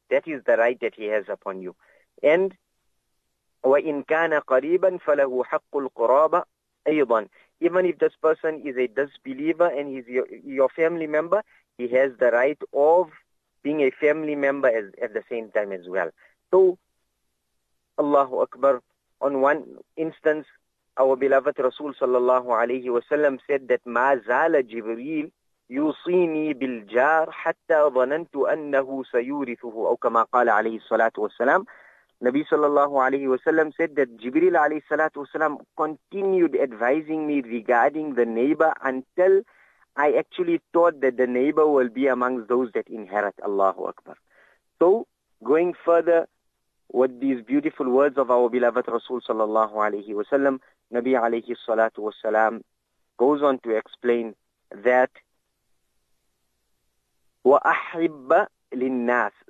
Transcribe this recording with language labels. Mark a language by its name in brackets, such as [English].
[English] That is the right that he has upon you. And [Arabic] wa in kana qariban falahu haqqul quraba aydan. [English] Even if this person is a disbeliever and he's your family member, he has the right of being a family member as, at the same time as well. So, Allahu Akbar, on one instance, our beloved Rasul sallallahu alayhi wa sallam said that [Arabic] ما زال جبريل يوصيني بالجار حتى ظننت أنه سيورثه, أو كما قال عليه الصلاة والسلام. [English] Nabi sallallahu alayhi wa sallam said that Jibreel alayhi salatu wa sallam continued advising me regarding the neighbor until I actually thought that the neighbor will be amongst those that inherit, Allahu Akbar. So, going further with these beautiful words of our beloved Rasul sallallahu alayhi wa sallam, Nabi alayhi salatu wa sallam goes on to explain that [Arabic] wa ahibba lin nas.